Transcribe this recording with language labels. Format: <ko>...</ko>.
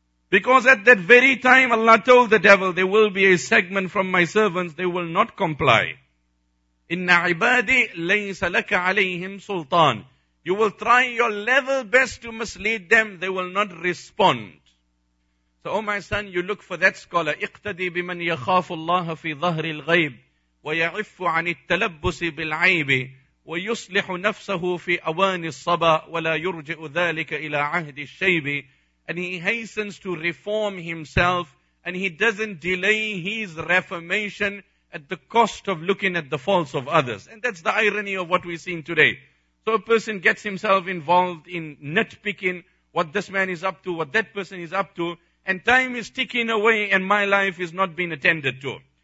<en>Because at that very time, Allah told the devil, there will be a segment from my servants, they will not comply.</en> <ar>إِنَّ عِبَادِي لَيْسَ لَكَ عَلَيْهِمْ سُلْطَانِ.</ar> <en>You will try your level best to mislead them, they will not respond. So, oh my son, you look for that scholar.</en> <ar>اقتدي بمن يخاف الله في ظهر الغيب ويعف عن التلبس بالعيب ويصلح نفسه في أوان الصبا ولا يرجئ ذلك إلى عهد الشيب.</ar> <en>And he hastens to reform himself and he doesn't delay his reformation at the cost of looking at the faults of others. And that's the irony of what we're seeing today. So a person gets himself involved in nitpicking what this man is up to, what that person is up to, and time is ticking away and my life is not being attended to.</en>